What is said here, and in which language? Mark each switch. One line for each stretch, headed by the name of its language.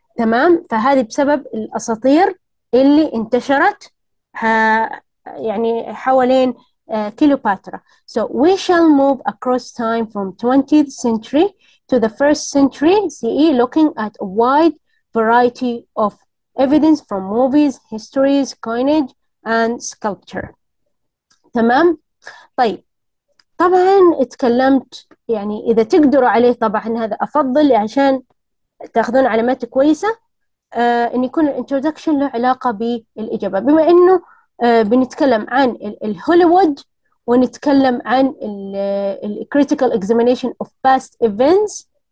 Arabic: تمام، فهذه بسبب الأساطير اللي انتشرت يعني حوالين كليوباترا.
English: So we shall move across time from 20th century to the first century CE looking at a wide variety of evidence from movies, histories, coinage and sculpture.
Arabic: تمام، طيب طبعا اتكلمت يعني اذا تقدروا عليه، طبعا هذا افضل عشان تاخذون علامات كويسه، ان يكون الانترودكشن له علاقه بالاجابه، بما انه بنتكلم عن الهوليوود ونتكلم عن
English: الكريتيكال examination of past events.